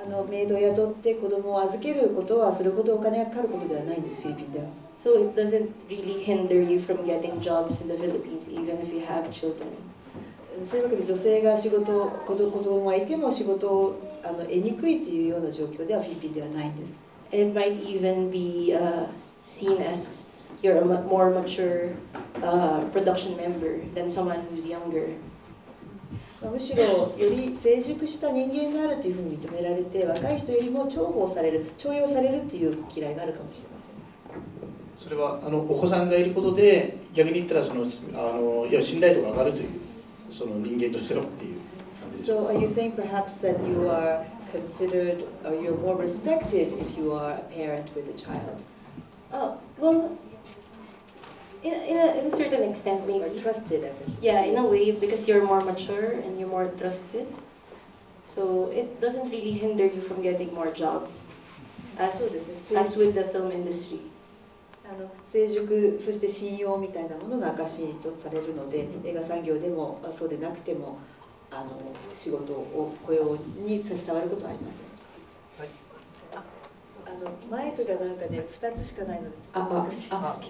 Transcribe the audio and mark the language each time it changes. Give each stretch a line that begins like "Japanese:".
Japanese: メイドを雇って子供を預けることはそれほどお金がかかることではないんです、フィリピンでは。
English: So it doesn't really hinder you from getting jobs in the Philippines, even if you have children.
Japanese: そういうわけで、女性が仕事、子供がいても仕事を得にくいというような状況ではフィリピンではないんです。
English: And it might even be seen as you're a more mature production member than someone who's younger.
Japanese: むしろより成熟した人間であるというふうに認められて、若い人よりも重宝される、重用されるという嫌いがあるかもしれません。それはお子さんがいることで、逆に言ったらいや信頼度が上がるという、その人間としてのっていう感じでしょうか。
English: So are you saying perhaps that you are considered or you're more respected if you are a parent with a child? Well, in a certain extent, maybe. Or trusted as a human. Yeah, in a way, because you're more mature and you're more trusted. So it doesn't really hinder you from getting more jobs, as with the film industry.
Japanese: 成熟そして信用みたいなものが証とされるので、映画産業でもそうでなくても仕事を雇用に差し障ることはありません。マイクがなんかね、2つしかないのでちょっと難しいですけど、